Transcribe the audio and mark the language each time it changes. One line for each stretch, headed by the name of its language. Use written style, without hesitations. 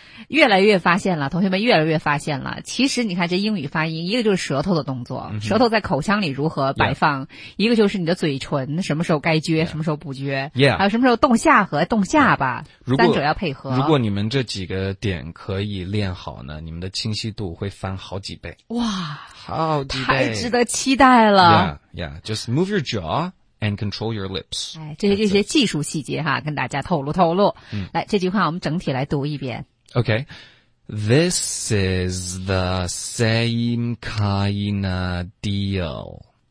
Chinese: 越来越发现了，同学们越来越发现了，其实你看这英语发音，一个就是舌头的动作、嗯、舌头在口腔里如何摆放、
English: yeah.
Chinese: 一个就是你的嘴唇什么时候该撅、
English: yeah.
Chinese: 什么时候不撅、
English: yeah.
Chinese: 还有什么时候动下颌动下巴、yeah. 三者要配合。如果你们这几个点可以练好呢，你们的清晰度会翻好几倍。哇，好几倍，太值得期待了。
English: Yeah, yeah, just move your jaw and control your lips.
Chinese: 哎，这些技术细节哈，跟大家透露透露、嗯、来，这句话我们整体来读一遍。
English: Okay, this is the same kind of deal.